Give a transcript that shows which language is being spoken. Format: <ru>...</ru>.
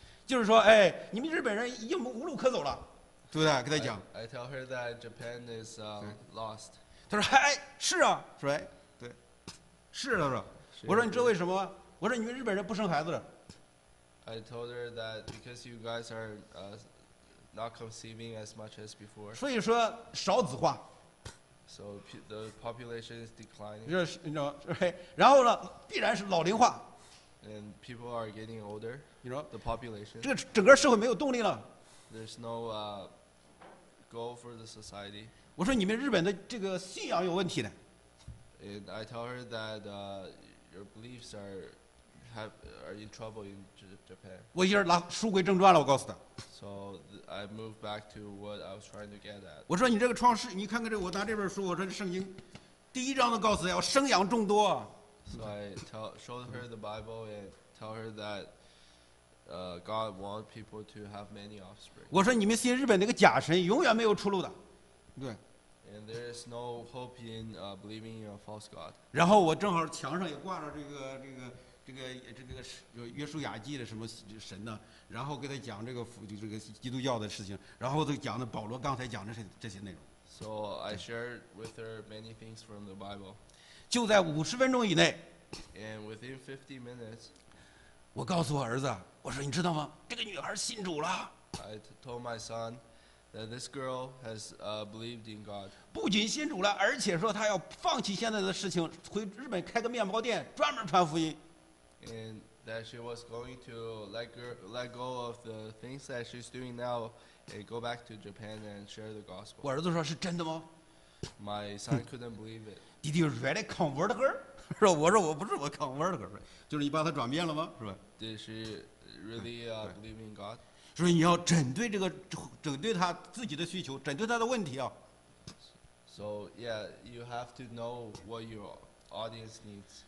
<zh>就是说，哎，你们日本人已经无路可走了，对不对？跟他讲。</zh> <en>I tell her that Japan is lost.</en> <zh>他说，嗨，是啊 ，right？对，是他说。我说你知道为什么？我说你们日本人不生孩子。</zh> <en>I told her that because you guys are not conceiving as much as before.</en> <zh>所以说少子化。</zh> <en>So the population is declining.</en> <zh>就是你知道，然后呢，必然是老龄化。</zh> <en>And people are getting older. You know the population.</en> <zh>这个整个社会没有动力了。</zh> <en>There's no goal for the society.</en> <zh>我说你们日本的这个信仰有问题的。</zh> <en>And I tell her that your beliefs are. Are in trouble in Japan.</en> <zh>我一下拉书归正传了，我告诉他。</zh> <en>So I moved back to what I was trying to get at.</en> <zh>我说你这个创世，你看看这，我拿这本书，我说这圣经，第一章都告诉要生养众多。</zh> <en>So I showed her the Bible and tell her that, God wants people to have many offspring.</en> <zh>我说你们信日本那个假神，永远没有出路的，对。</zh> <en>And there is no hope in believing in a false god.</en> <zh>然后我正好墙上也挂着这个有约书亚记的什么神呢？然后给他讲这个基督教的事情，然后就讲的保罗刚才讲的这些内容。</zh> <en>So I shared with her many things from the Bible.</en> <zh>就在50分钟以内。</zh> <en>And within 50 minutes.</en> <zh>我告诉我儿子，我说你知道吗？这个女孩信主了。</zh> <en>I told my son that this girl has believed in God.</en> <zh>不仅信主了，而且说她要放弃现在的事情，回日本开个面包店，专门传福音。</zh> <en>And that she was going to let go of the things that she's doing now and go back to Japan and share the gospel.</en> <zh>我儿子说是真的吗</zh> <en>？My son couldn't believe it. Did you really convert her?</en> <zh>说我说我不是我</zh> <en>convert her，</en> <zh>就是你把她转变了吗？是吧</zh> <en>？Did she really believe in God?</en> <zh>所以你要针对她自己的需求，针对她的问题啊。</zh> <en>So yeah, you have to know what your audience needs.</en>